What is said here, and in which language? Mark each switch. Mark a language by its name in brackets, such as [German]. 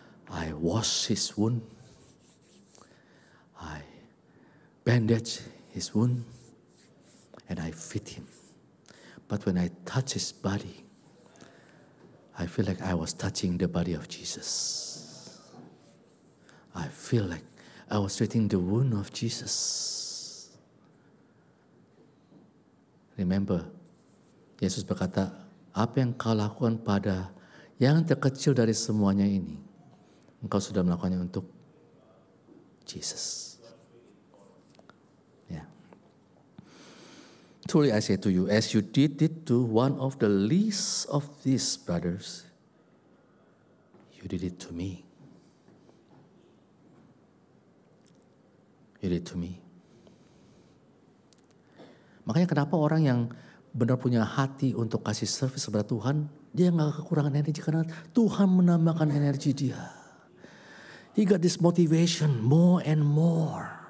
[English] I washed his wound. I bandaged his wound. And I fed him. But when I touched his body, I feel like I was touching the body of Jesus. I feel like I was treating the wound of Jesus. Remember, [Indonesian] Yesus berkata, apa yang kau lakukan pada yang terkecil dari semuanya ini, engkau sudah melakukannya untuk Jesus. [English] Yeah. Truly I say to you, as you did it to one of the least of these brothers, you did it to me. You did it to me. [Indonesian] Makanya kenapa orang yang benar punya hati untuk kasih service kepada Tuhan, dia gak kekurangan energi karena Tuhan menambahkan energi dia. [English] He got this motivation more and more.